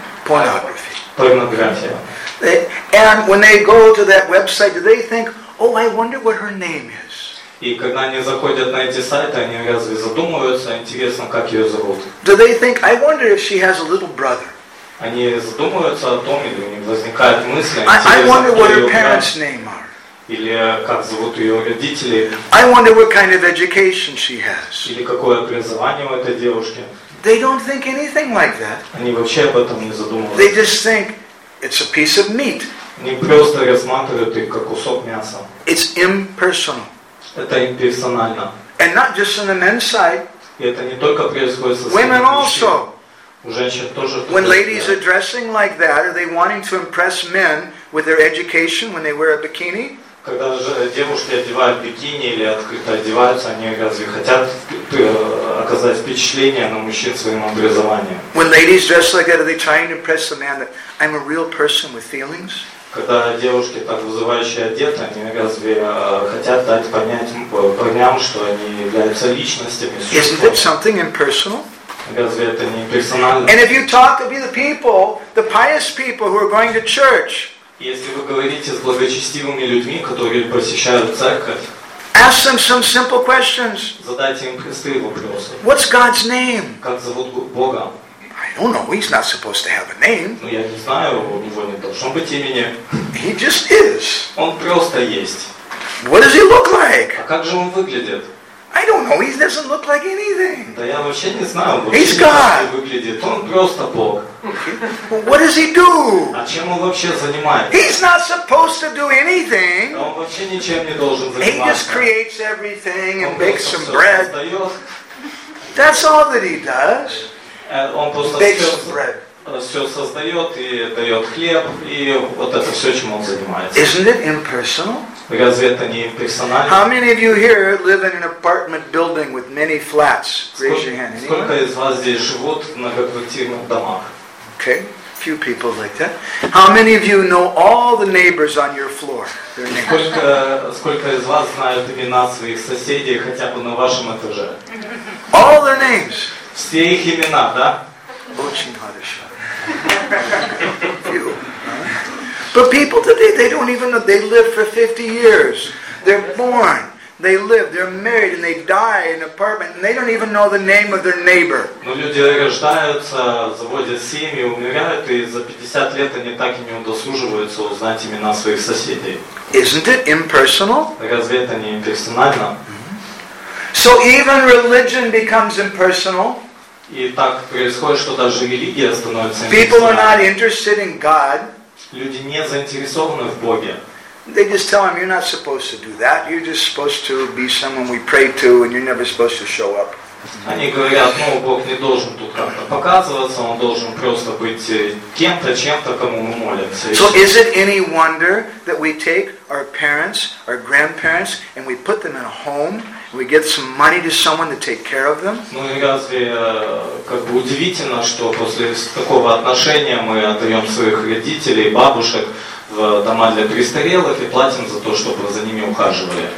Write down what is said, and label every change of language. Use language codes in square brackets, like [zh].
[ru] Порнография. [en] And when they go to that website, do they think, "Oh, I wonder what her name is"? [ru] И когда они заходят на эти сайты, они разве задумываются, интересно, как ее зовут? [en] Do they think, "I wonder if she has a little brother"? [ru] Они задумываются о том, или у них возникает мысль, [en] I wonder what her parents' name are. [ru] Или как зовут ее родители? [en] I wonder what kind of education she has. [ru] Или какое образование у этой девушки? [en] They don't think anything like that. [ru] Они вообще об этом не задумываются. [en] They just think it's a piece of meat. [ru] Они просто рассматривают их как кусок мяса. [en] It's impersonal. [ru] Это имперсонально. [en] And not just on the men's side. [ru] И это не только происходит со стороны. [en] Women also. [ru] У женщин тоже. [en] When ladies are dressing like that, are they wanting to impress men with their education when they wear a bikini? [ru] Когда же девушки одевают бикини или открыто одеваются, они разве хотят оказать впечатление на мужчин своим образованием? [en] When ladies dress like that, are they trying to impress the man that I'm a real person with feelings? [ru] Когда девушки так вызывающе одеты, они разве хотят дать понять парням, что они являются личностями? [en] Isn't it something impersonal? [ru] Разве это не персонально? [en] And if you talk to the people, the pious people who are going to church. [ru] Если вы говорите с благочестивыми людьми, которые посещают церковь, [en] ask them some simple questions. [ru] Задайте им простые вопросы. [en] What's God's name? [ru] Как зовут Бога? [en] I don't know. He's not supposed to have a name. [ru] Ну я не знаю, у него не должно быть имени. [en] He just is. [ru] Он просто есть. [en] What does he look like? [ru] А как же он выглядит? [en] I don't know. He doesn't look like anything. [ru] Да я вообще не знаю. [en] He's God. [ru] Выглядит. Он просто Бог. [en] What does he do? [ru] А чем он вообще занимается? [en] He's not supposed to do anything. [ru] Он вообще ничем не должен заниматься. [en] He just creates everything and makes some bread. That's all that he does. [ru] Он просто все создает и дает хлеб и вот это все, чем он занимается. [en] Isn't it impersonal? [ru] Разве это не персонально? [en] How many of you here live in an apartment building with many flats? Raise your hand. [ru] Сколько из вас здесь живут в многоквартирных домах? [en] Okay, a few people like that. How many of you know all the neighbors on your floor? Their names? [ru] Сколько из вас знают имена своих соседей хотя бы на вашем этаже? All their names. Все их имена, да? Очень хорошо. [en] But people today, they don't even know, they live for 50 years. They're born, they live, they're married, and they die in an apartment, and they don't even know the name of their neighbor. [ru] Но люди рождаются, заводят семьи, умирают, и за 50 лет они так и не удосуживаются узнать имена своих соседей. [en] Isn't it impersonal? [ru] Разве это не имперсонально? [en] So even religion becomes impersonal. [ru] И так происходит, что даже религия становится [en] impersonal. People are not interested in God. [ru] Люди не заинтересованы в Боге. [en] They just tell them you're not supposed to do that. You're just supposed to be someone we pray to, and you're never supposed to show up. [ru] Они говорят, ну Бог не должен тут как-то показываться, он должен просто быть кем-то, чем-то, кому мы молимся. [en] So is it any wonder that we take our parents, our grandparents, and we put them in a home, and we give some money to someone to take care of them? [ru] Ну и разве как бы удивительно, что после такого отношения мы отдаем своих родителей, бабушек в дома для престарелых и платим за то, чтобы за ними ухаживали?